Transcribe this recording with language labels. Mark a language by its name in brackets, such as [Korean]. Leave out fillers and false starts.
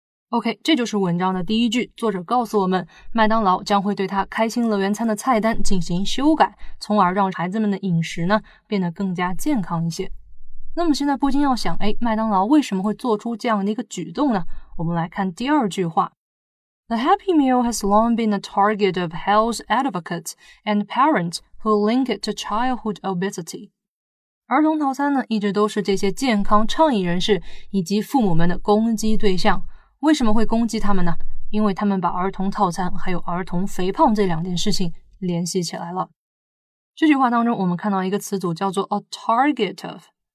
[Chinese] OK, 这就是文章的第一句，作者告诉我们麦当劳将会对他开心乐园餐的菜单进行修改，从而让孩子们的饮食呢变得更加健康一些。那么现在不禁要想，麦当劳为什么会做出这样的一个举动呢？我们来看第二句话。 [English] The Happy Meal has long been a target of health advocates and parents who link it to childhood obesity. [Chinese] 儿童套餐呢，一直都是这些健康倡议人士以及父母们的攻击对象。为什么会攻击他们呢？因为他们把儿童套餐还有儿童肥胖这两件事情联系起来了。这句话当中我们看到一个词组叫做 [English] a target of。